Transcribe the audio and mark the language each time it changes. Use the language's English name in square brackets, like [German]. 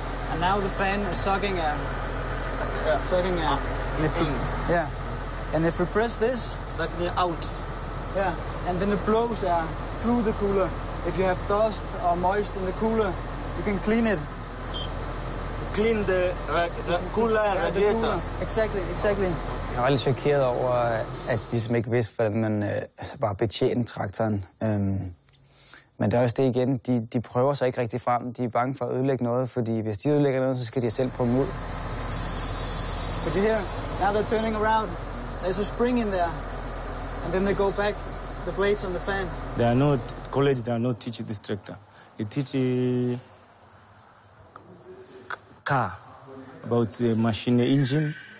[English] And now the fan is sucking air. Sucking air. And if we press this, sucking air out. Yeah. And then it blows air through the cooler. If you have dust or moist in the cooler, you can clean it. Clean the cooler and radiator. Exactly. [Danish] Jeg var lidt chokeret over, at de ikke vidste, hvordan man altså bare betjente traktoren. Men det er også det igen. De prøver sig ikke rigtig frem. De er bange for at ødelægge noget, fordi hvis de ødelægger noget, så skal de selv prøve dem ud. [English] But you hear? Now they're turning around. There's a spring in there. And then they go back, the blades on the fan. There are no college, there are no teaching this tractor. It teaches car, about the machine, the engine.